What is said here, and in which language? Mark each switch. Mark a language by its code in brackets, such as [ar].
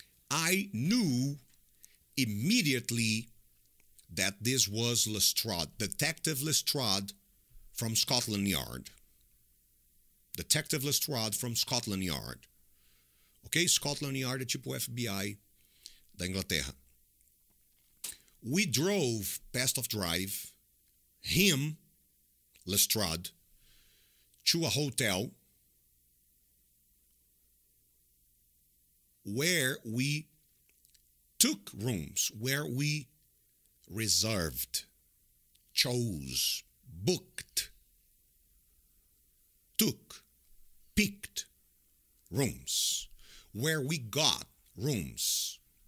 [en] I knew immediately that this was Lestrade, Detective Lestrade from Scotland Yard. Detective Lestrade from Scotland Yard. [pt] Okay, Scotland Yard é tipo FBI da Inglaterra. [en] We drove past of drive, him, Lestrade, to a hotel where we took rooms, where we reserved, chose, booked, took, picked rooms, where we got rooms.